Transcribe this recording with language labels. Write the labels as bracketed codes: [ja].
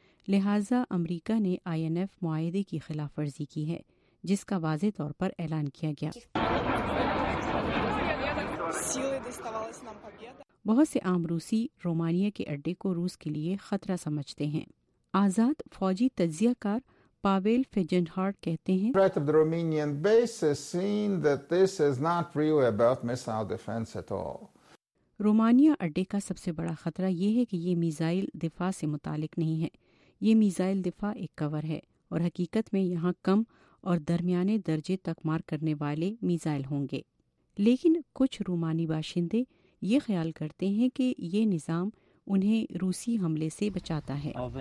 [ur] لہٰذا امریکہ نے آئی N F معاہدے کی خلاف ورزی کی ہے جس کا واضح طور پر اعلان کیا گیا. بہت سے عام روسی رومانیا کے اڈے کو روس کے لیے خطرہ سمجھتے ہیں. آزاد فوجی تجزیہ کار پاویل فیجنہارڈ کہتے ہیں, [en] Threat of the Romanian base is seen that this is not really about missile defense at all. [ur] Romania اڈے کا سب سے بڑا خطرہ یہ ہے کہ یہ میزائل دفاع سے متعلق نہیں ہے. یہ میزائل دفاع ایک کور ہے اور حقیقت میں یہاں کم اور درمیانے درجے تک مار کرنے والے میزائل ہوں گے. لیکن کچھ رومانی باشندے یہ خیال کرتے ہیں کہ یہ نظام انہیں روسی حملے سے بچاتا ہے.